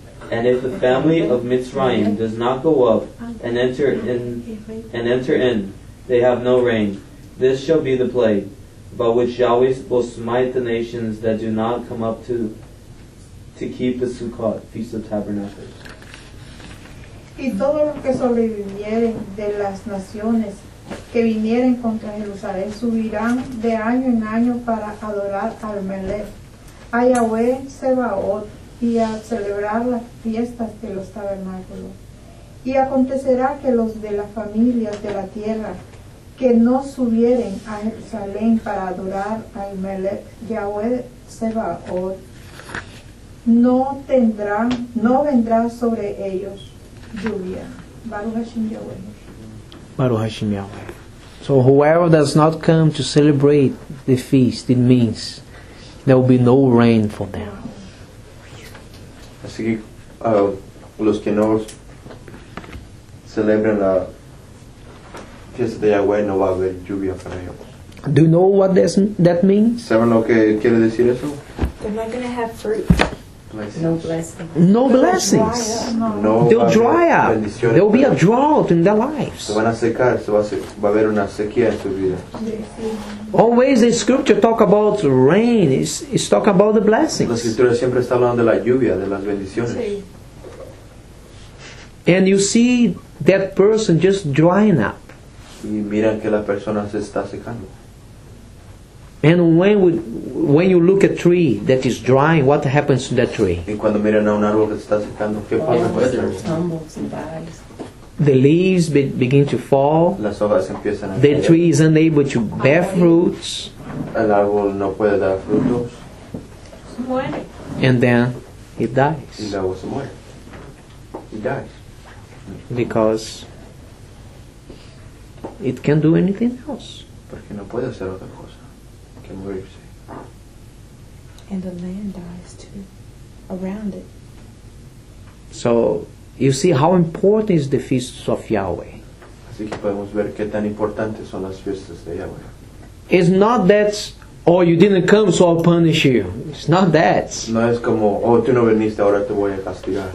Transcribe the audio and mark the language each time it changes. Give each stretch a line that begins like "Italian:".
English: And if the family of Mitzrayim does not go up and enter in, they have no rain. This shall be the plague by which Yahweh will smite the nations that do not come up to keep the Sukkot, Feast of Tabernacles.
Spanish: Y todos los que sobrevivieren de las naciones que vinieren contra Jerusalén subirán de año en año para adorar al Melech, a Yahweh Sebaot, y a celebrar las fiestas de los tabernáculos. Y acontecerá que los de las familias de la tierra que no subieren a Jerusalén para adorar al Melech, Yahweh Sebaot, no vendrá sobre ellos lluvia.
Hebrew: Baruch Hashem Yahweh. Baruch Hashem Yahweh.
English: So whoever does not come to celebrate the feast, it means there will be no rain for them.
Spanish: Así que los que no celebran la fiesta de Yahweh, no va a haber lluvia para ellos.
English: Do you know what that means?
Spanish: ¿Saben lo que quiere decir eso?
English: They're not going to have fruit. No blessings. No blessings. They'll dry up. There will be a drought in their lives.
Spanish: Se van a secar, va a haber una sequía en su vida.
English: Always the scripture talk about rain. It's talk about the blessings.
Spanish: La escritura siempre está hablando de la lluvia, de las bendiciones. Sí.
English: And you see that person just drying up.
Spanish: Y mira que la persona se está secando.
English: And when you look at a tree that is drying, what happens to that tree?
Spanish: Y cuando miran a un árbol que está secando, ¿qué pasa con ese árbol?
English: The leaves begin to fall.
Spanish: Las hojas empiezan a caer.
English: The tree is unable to bear fruits.
Spanish: El árbol no puede dar frutos. Se muere.
English: And then it dies.
Spanish: Y luego se muere.
English: It dies. Because it can't do anything else.
Spanish: Porque no puede hacer otra cosa que morirse.
English: And the land dies too, around it. So you see how important is the feasts of Yahweh.
Spanish: Así que podemos ver qué tan importantes son las fiestas de Yahweh.
English: It's not that, oh, you didn't come, so I'll punish you. It's not that.
Spanish: No es como, oh, tú no viniste, ahora te voy a castigar.